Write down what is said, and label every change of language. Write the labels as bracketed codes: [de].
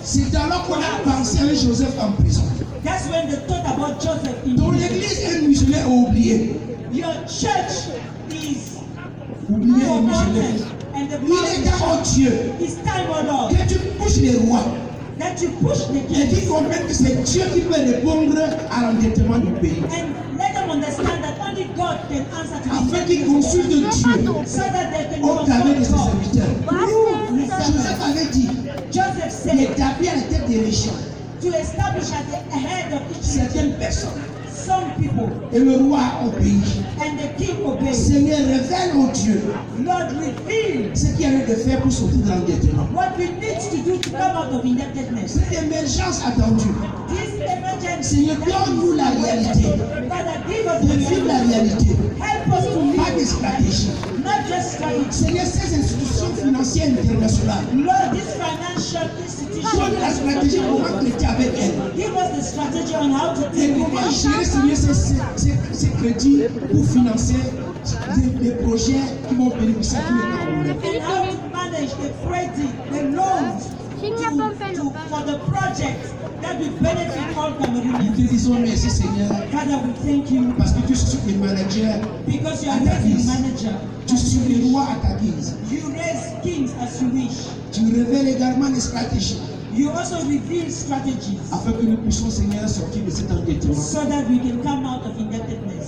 [fr] C'est alors qu'on a pensé à Joseph en prison. [en] That's when they thought about Joseph in [fr] prison. Ton église est muselée et oubliée. [en] Your church is [fr] oubliée et muselée. [en] And the [fr] il est temps au Dieu. [en] It's time, oh Lord. [fr] Que tu pousses les rois. [en] That you push the [fr] king. Et qu'ils comprennent que c'est Dieu qui peut répondre à l'endettement du pays. [en] And let them understand that only God can answer to [fr] this. Afin qu'ils consultent Dieu. [en] So that they can consult God. [fr] Au travers de ses serviteurs. Nous, Joseph avait dit. [en] Joseph said. [fr] D'établir la tête des régions. [en] To establish at the head of each [fr] certaines region. Personnes. [en] Some people. [fr] Et le roi obéit. [en] And the king obeyed. [fr] Seigneur, révèle au Dieu. [en] Lord, reveal. [fr] Ce qu'il y avait de faire pour sortir de l'endettement. [en] What we need to do to come out of indebtedness. [fr] Cette émergence attendue. [en] This emergency. [fr] Seigneur, donne-nous la réalité. [en] Father, give us [fr] de vivre la réalité. [en] Help us to live. [fr] Pas des stratégies. [en] Not just strategy. [fr] Seigneur, ces institutions financières internationales. [en] Lord, this financial institution. [fr] Donne la stratégie pour entretenir avec elle. [en] Give us the strategy on how to deal with it. [fr] Gérer, Seigneur, ces crédits pour financer des projets qui vont bénéficier à tous les Camerounais. [en] How to manage the credit, the loans for the project that will benefit all Cameroonians. [fr] Nous te disons merci, Seigneur. [en] Father, we thank you. [fr] Parce que tu suis le manager. [en] Because you are the manager. [fr] Tu suis le roi à ta guise. [en] You raise kings as you wish. [fr] Tu révèles également les stratégies. [en] You also reveal strategies. [fr] Afin que nous puissions, Seigneur, sortir de cet endettement. [en] So that we can come out of indebtedness.